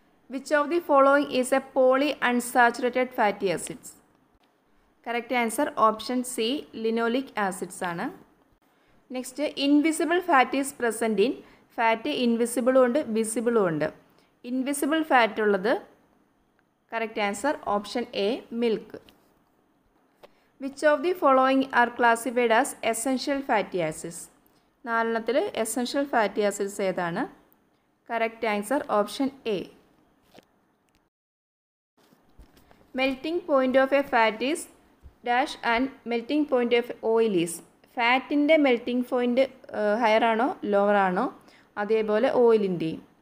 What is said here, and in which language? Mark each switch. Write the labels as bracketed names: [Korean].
[English] Which of the following is a poly unsaturated fatty acids. [Malayalam] Correct answer option C, linoleic acids ആണ്. [English] Next, invisible fat is present in. [Malayalam] Fat ഇൻവിസിബിളും ഉണ്ട്, വിസിബിളും ഉണ്ട്. Invisible fat ഉള്ളത് [English] Correct answer, option A, milk. Which of the following are classified as essential fatty acids? [Malayalam] നാലെണ്ണത്തില് essential fatty acids ഏതാണ്? Correct answer option A. [English] Melting point of a fat is dash and melting point of oil is. [Malayalam] ഫാറ്റിൻ്റെ melting point higher ആണോ lower ആണോ, അതേപോലെ ഓയിലിൻ്റെയും.